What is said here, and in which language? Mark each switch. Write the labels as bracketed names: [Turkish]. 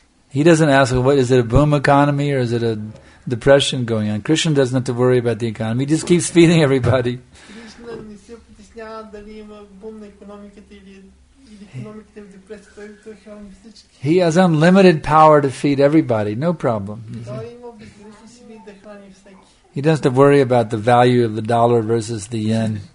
[English] He doesn't ask, what is it, a boom economy or is it a depression going on? Krishna doesn't have to worry about the economy. He just keeps feeding everybody. Krishna [Bulgarian] дали има бум на економиката или економиката в депресия, той хвърля всички. [English] He has unlimited power to feed everybody, no problem. [Bulgarian] Той има безгранични сили да храни всеки. [English] He doesn't have to worry about the value of the dollar versus the yen.